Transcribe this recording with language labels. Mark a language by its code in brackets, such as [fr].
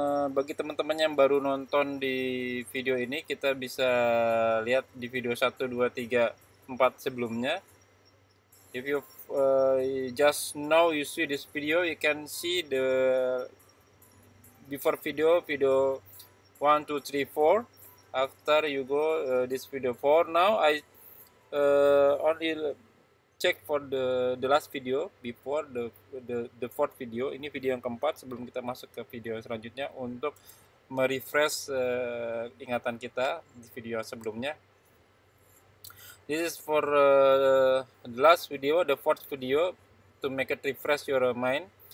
[id] Bagi teman-teman yang baru nonton di video ini, kita bisa lihat di video 1, 2, 3, 4 sebelumnya. [en] If you just now you see this video, you can see the before video, video 1, 2, 3, 4. After you go this video 4. Now I only check for the last video before the fourth video. [id] Ini video yang keempat sebelum kita masuk ke video selanjutnya untuk merefresh ingatan kita di video sebelumnya. [en] This is for the last video, the fourth video to make it refresh your mind.